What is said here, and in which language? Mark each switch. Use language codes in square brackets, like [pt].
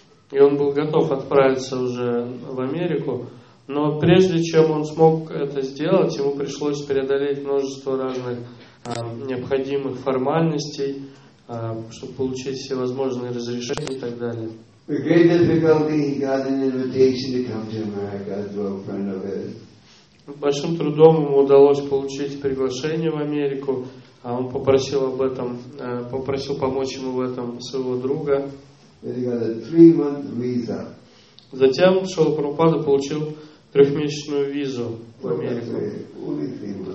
[ru] И он был готов отправиться уже в Америку, но прежде чем он смог это сделать, ему пришлось преодолеть множество разных необходимых формальностей, чтобы получить всевозможные разрешения и так далее. [en] The great difficulty, he got an invitation to come to America to a friend of his. [ru] Большим трудом ему удалось получить приглашение в Америку, а он попросил об этом, попросил помочь ему в этом своего друга. [en] Then he got a 3-month visa. [ru] Затем Шрила Прабхупада получил 3-месячную визу в Америку.